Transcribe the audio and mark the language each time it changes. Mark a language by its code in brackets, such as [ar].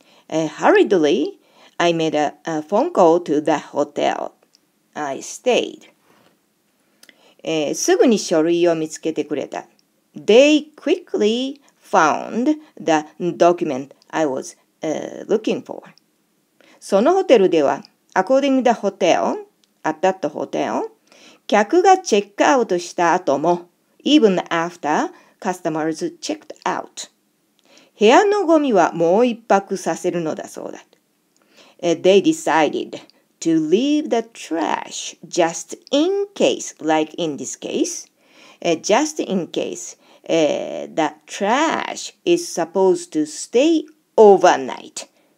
[en] Hurriedly, I made a phone call to the hotel. I stayed.、 [ja] すぐに書類を見つけてくれた。 [en] They quickly... found the document I was looking for. [ja] そのホテルでは、 [en] according to the hotel, at that hotel, [ja] 客がチェックアウトした後も、 [en] even after customers checked out, [ja] 部屋のゴミはもう一泊させるのだそうだ。 [en] They decided to leave the trash just in case, like in this case, just in case,the trash is supposed to stay overnight.